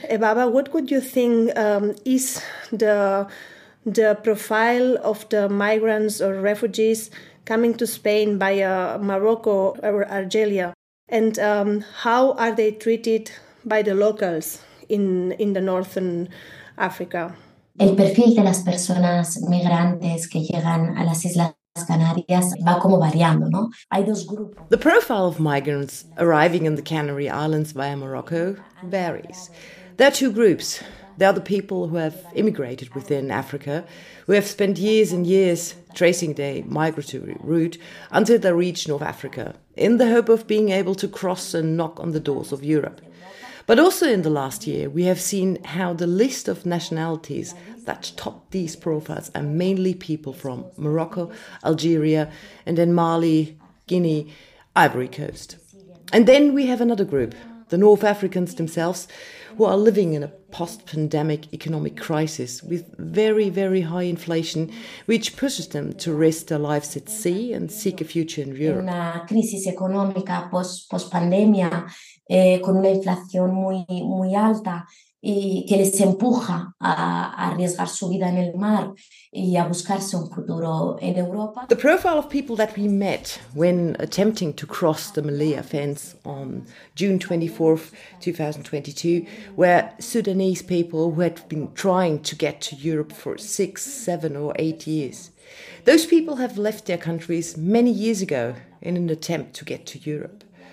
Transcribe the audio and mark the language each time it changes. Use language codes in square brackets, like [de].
[en] Ebaba, what would you think is the profile of the migrants or refugees coming to Spain by Morocco or Algeria? And how are they treated by the locals in the northern Africa? [es] El perfil de las personas migrantes que llegan a las Islas Canarias va como variando, ¿no? Hay dos grupos. [en] The profile of migrants arriving in the Canary Islands via Morocco varies. There are two groups. They are the people who have immigrated within Africa, who have spent years and years tracing their migratory route until they reach North Africa, in the hope of being able to cross and knock on the doors of Europe. But also in the last year, we have seen how the list of nationalities that top these profiles are mainly people from Morocco, Algeria, and then Mali, Guinea, Ivory Coast. And then we have another group, the North Africans themselves, who are living in a post-pandemic economic crisis with very, very high inflation, which pushes them to risk their lives at sea and seek a future in Europe. [es] Una crisis económica post-pandemia con una inflación muy, muy alta y que les empuja a arriesgar su vida en el mar y a buscarse un futuro en Europa. [en] The profile of people that we met when attempting to cross the Melilla fence on June 24th, 2022, were Sudanese people who had been trying to get to Europe for 6, 7, or 8 years. Those people have left their countries many years ago in an attempt to get to Europe.